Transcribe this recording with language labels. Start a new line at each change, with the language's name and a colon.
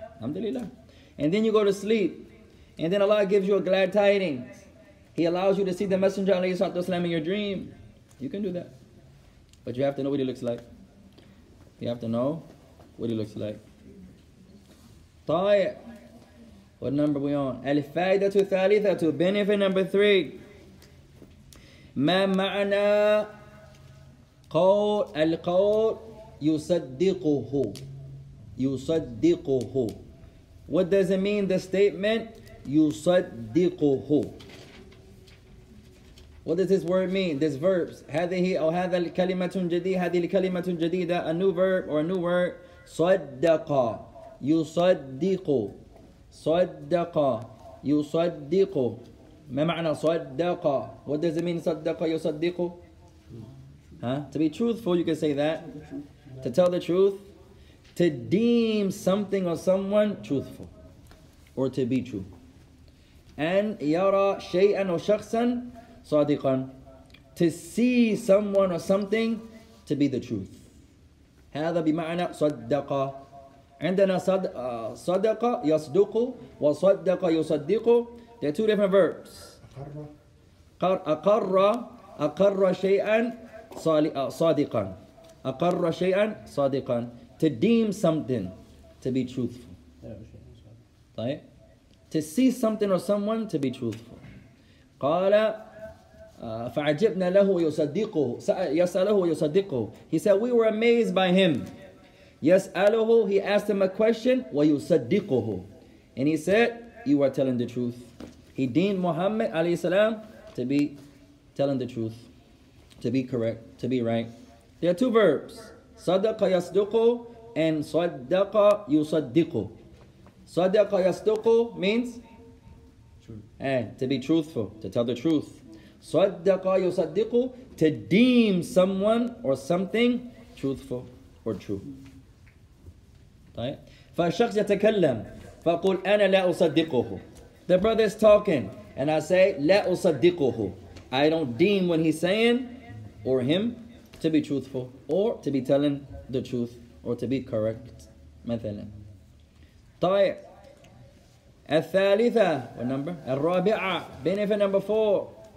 Arabic: الحمد لله.
English: And then you go to sleep. And then Allah gives you a glad tidings. He allows you to see the messenger
Arabic: عليه الصلاة والسلام
English: in your dream. You can do that. But you have to know what he looks like. You have to know what he looks like. طيب. What number are we on?
Arabic: الفائدة الثالثة.
English: Benefit number 3.
Arabic: ما معنى قول القول يصدقه. يصدقه.
English: What does it mean, the statement?
Arabic: يصدقه.
English: What does this word mean?
Arabic: This verb. هذه أو هذا الكلمة جديدة. هذه الكلمة جديدة.
English: A new verb or a new word.
Arabic: صدق. يصدق. صدق. يصدق. ما معنى صدق?
English: What does it mean?
Arabic: صدق يصدق. Huh?
English: To be truthful, you can say that. To tell the truth. To deem something or someone truthful. Or to be true.
Arabic: And يرى شيئا أو شخصا صادقا.
English: To see someone or something to be the truth.
Arabic: هذا بمعنى صدق. عندنا صدق يصدق وصدق يصدق.
English: There are two different verbs.
Arabic: أقر أقر شيئا صادقا. أقر شيئا صادقا.
English: To deem something to be truthful.
Arabic: طيب.
English: To see something or someone to be truthful.
Arabic: قال فعجبنا له يصدقه يسأله ويصدقه.
English: He said we were amazed by him. يسأله, he asked him a question ويصدقه. And he said you are telling the truth. He deemed Muhammad
Arabic: عليه السلام
English: to be telling the truth, to be correct, to be right. There are two verbs,
Arabic: صدق يصدق
English: and صدق يصدق.
Arabic: صدق يصدق means
English: true. To be truthful, to tell the truth.
Arabic: صدق يصدق,
English: to deem someone or something truthful or true.
Arabic: طيب. فالشخص يتكلم فقل أنا لا أصدقه.
English: The brother is talking and I say
Arabic: لا أصدقه.
English: I don't deem what he's saying or him to be truthful or to be telling the truth or to be correct.
Arabic: مثلا. طيب.
English: الثالثة, what number? الرابعة, benefit number 4.